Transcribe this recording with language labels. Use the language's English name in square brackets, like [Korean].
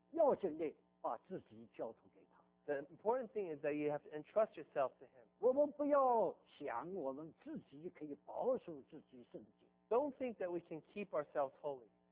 [Chinese] 要紧的把自己交托给他。 [English] The important thing is that you have to entrust yourself to him. [Chinese] 我们不要想我们自己可以保守自己圣洁。 [English] Don't think that we can keep ourselves holy.